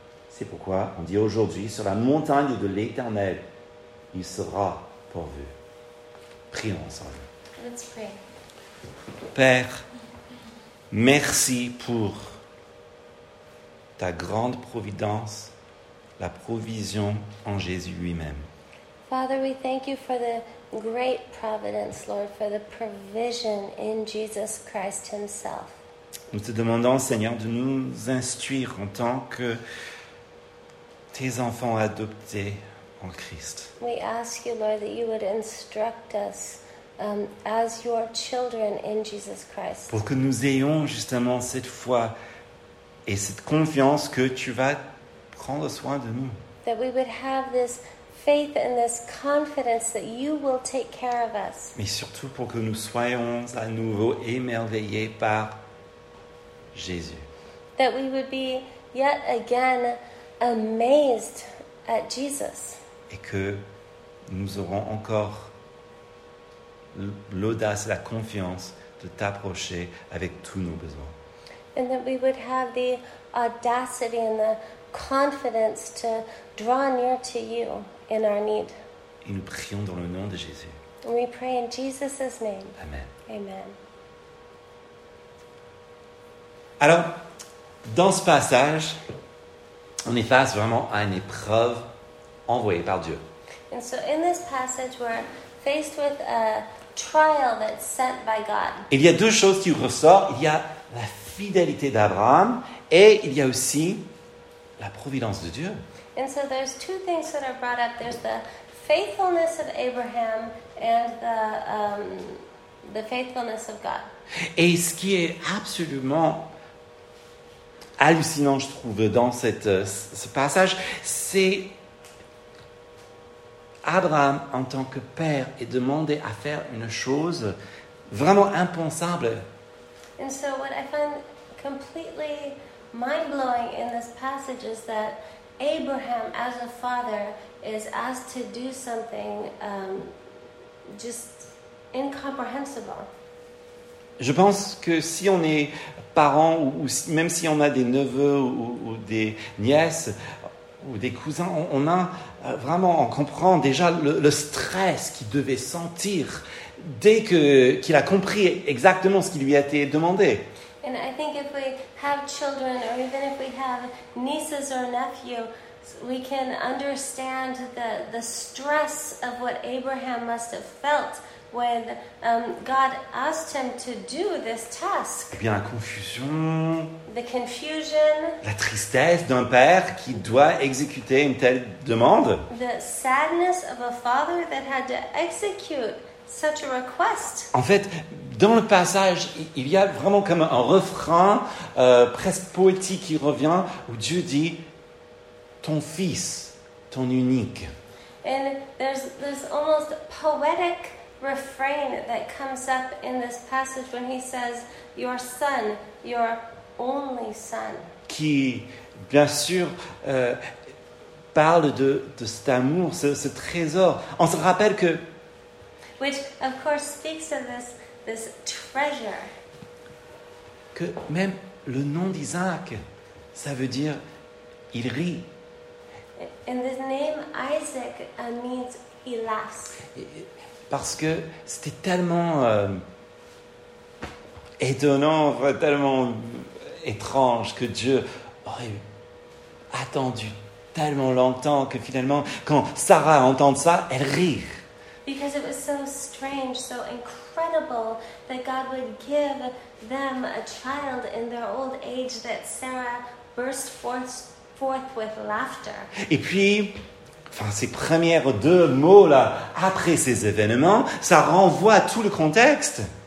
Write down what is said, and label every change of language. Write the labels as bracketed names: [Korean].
[French] C'est pourquoi on dit aujourd'hui, sur la montagne de l'Éternel, il sera pourvu. Prions ensemble. [English] Let's pray. [French] Père, merci pour ta grande providence, la provision en Jésus lui-même. [English] Father, we thank you for the great providence, Lord, for the provision in Jesus Christ himself. [French] Nous te demandons, Seigneur, de nous instruire en tant que tes enfants adoptés en Christ. [English] We ask you, Lord, that you would instruct us as your children in Jesus Christ. [French] Pour que nous ayons justement cette foi et cette confiance que tu vas prendre soin de nous. [English] That we would have this faith and this confidence that you will take care of us. [French] Mais surtout pour que nous soyons à nouveau émerveillés par Jésus. [English] That we would be yet again amazed at Jesus. [French] Et que nous aurons encore l'audace et la confiance de t'approcher avec tous nos besoins. [English] And that we would have the audacity and the confidence to draw near to you in our need. [French] Et nous prions dans le nom de Jésus. [English] And we pray in Jesus' name. [French] Amen. [English] Amen. [French] Alors, dans ce passage, on est face vraiment à une épreuve envoyée par Dieu. [English] And so in this passage, we're faced with a trial that's sent by God. [French] Il y a deux choses qui ressortent. Il y a la fidélité d'Abraham et il y a aussi la providence de Dieu. [English] And so there's two things that are brought up. There's the faithfulness of Abraham and the faithfulness of God. [French] Et ce qui est absolument hallucinant, je trouve, dans ce passage, c'est Abraham, en tant que père, est demandé à faire une chose vraiment impensable. [English] And so what I find completely mind-blowing in this passage is that Abraham, as a father, is asked to do something just incomprehensible. [French] Je pense que si on est parents, ou même si on a des neveux ou des nièces ou des cousins, on comprend déjà le stress qu'il devait sentir dès qu'il a compris exactement ce qui lui a été demandé. [English] And I think if we have children or even if we have nieces or nephews, we can understand the stress of what Abraham must have felt when God asked him to do this task. [French] Et bien, la confusion. [English] The confusion. [French] La tristesse d'un père qui doit exécuter une telle demande. [English] The sadness of a father that had to execute such a request. [French] En fait, dans le passage, il y a vraiment comme un refrain presque poétique qui revient où Dieu dit, ton fils, ton unique. [English] And there's almost poetic refrain that comes up in this passage when he says your son, your only son. [French] Qui, bien sûr, parle de cet amour, ce trésor. On se rappelle que [English] which, of course, speaks of this treasure. [French] Que même le nom d'Isaac, ça veut dire il rit. [English] And the name Isaac means he laughs. [French] Parce que c'était tellement étonnant, tellement étrange que Dieu aurait attendu tellement longtemps que finalement, quand Sarah entend ça, elle rit. [English] Because it was so strange, so incredible that God would give them a child in their old age that Sarah burst forth with laughter. [French] Et puis, enfin, ces premières deux mots-là, après ces événements, ça renvoie à tout le contexte.